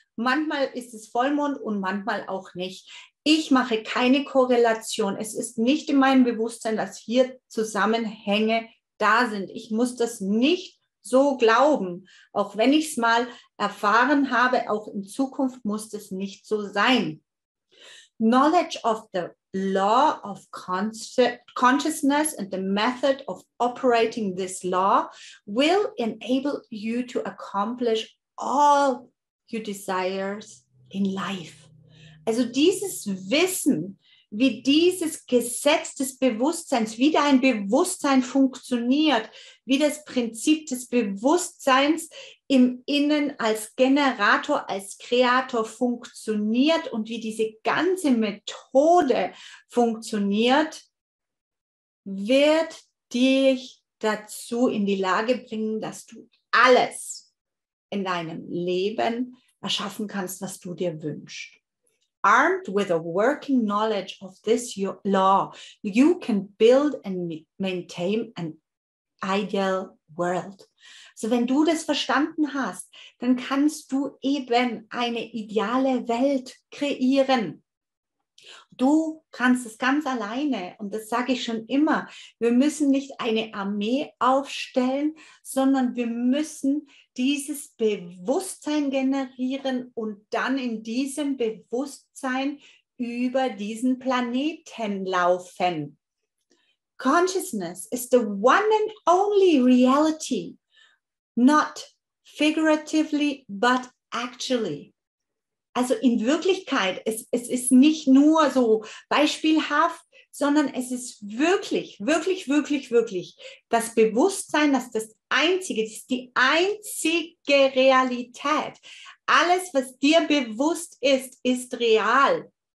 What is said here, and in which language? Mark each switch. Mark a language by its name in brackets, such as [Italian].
[German] Manchmal ist es Vollmond und manchmal auch nicht. Ich mache keine Korrelation. Es ist nicht in meinem Bewusstsein, dass hier Zusammenhänge da sind. Ich muss das nicht so glauben. Auch wenn ich es mal erfahren habe, auch in Zukunft muss das nicht so sein. [English] Knowledge of the law of consciousness and the method of operating this law will enable you to accomplish all your desires in life. [German] Also dieses Wissen, wie dieses Gesetz des Bewusstseins, wie dein Bewusstsein funktioniert, wie das Prinzip des Bewusstseins im Innen als Generator, als Kreator funktioniert und wie diese ganze Methode funktioniert, wird dich dazu in die Lage bringen, dass du alles in deinem Leben erschaffen kannst, was du dir wünschst. [English] Armed with a working knowledge of this law, you can build and maintain an ideal world. [German] So, wenn du das verstanden hast, dann kannst du eben eine ideale Welt kreieren. Du kannst es ganz alleine, und das sage ich schon immer, wir müssen nicht eine Armee aufstellen, sondern wir müssen dieses Bewusstsein generieren und dann in diesem Bewusstsein über diesen Planeten laufen. [English] Consciousness is the one and only reality, not figuratively, but actually. [German] Also in Wirklichkeit, es ist nicht nur so beispielhaft, sondern es ist wirklich, wirklich, wirklich, wirklich das Bewusstsein, dass das Einzige, das ist die einzige Realität. Alles, was dir bewusst ist, ist real.